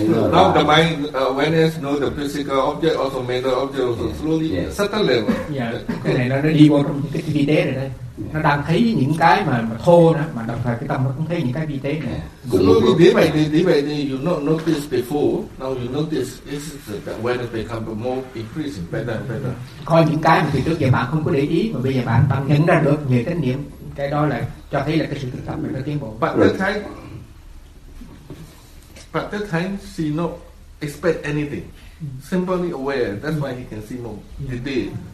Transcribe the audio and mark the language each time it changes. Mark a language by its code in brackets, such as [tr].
[en] Now the mind awareness knows the physical object, also mental object, also slowly subtle level. [vi] Cái này nó đi vô trong cái vi tế rồi đây. Nó đang thấy những cái mà thô đó, mà đồng thời cái tâm nó cũng thấy những cái vi tế này. [en] Slowly, [vi] đi vậy thì [en] you not notice before, now you notice it's the awareness become more increasing, better and better. [vi] Có những cái mà từ trước giờ bạn không có để ý, mà bây giờ bạn tâm nhận ra được nhiều kinh nghiệm, cái đó là cho thấy là cái sự thực tập mình đã tiến bộ. [en] But that time, she not expect anything. Simply aware. That's why he can see more. He did.